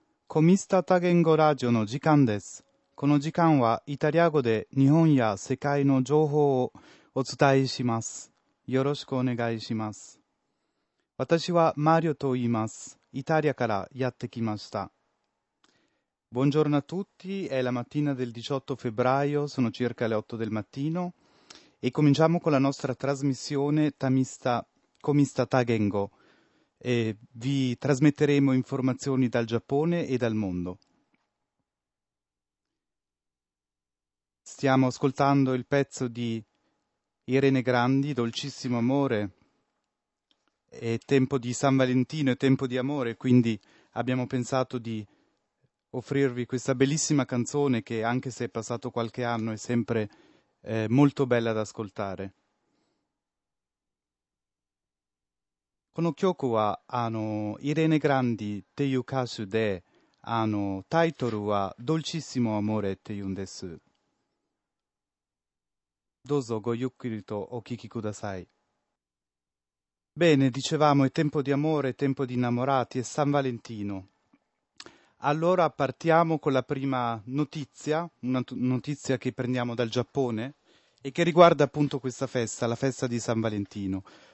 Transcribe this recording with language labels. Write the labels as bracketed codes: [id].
[ja] コミスタ多言語ラジオの時間です。この時間はイタリア語で日本や世界の情報をお伝えします。よろしくお願いします。私はマリオと言います。イタリアからやってきました。 [it] Buongiorno a tutti, è la mattina del 18 febbraio, sono circa le 8 del mattino e cominciamo con la nostra trasmissione Tamista Comista Tagengo. E vi trasmetteremo informazioni dal Giappone e dal mondo. Stiamo ascoltando il pezzo di Irene Grandi, Dolcissimo Amore. È tempo di San Valentino, è tempo di amore, quindi abbiamo pensato di offrirvi questa bellissima canzone che, anche se è passato qualche anno, è sempre molto bella da ascoltare. [ja] この曲はイレネ・グランディっていう歌手で、タイトルは「Dolcissimo Amore」っていうんです。どうぞごゆっくりとお聴きください。 [it] Bene, dicevamo, è tempo di amore, è tempo di innamorati, è San Valentino. Allora partiamo con la prima notizia, una notizia che prendiamo dal Giappone e che riguarda appunto questa festa, la festa di San Valentino.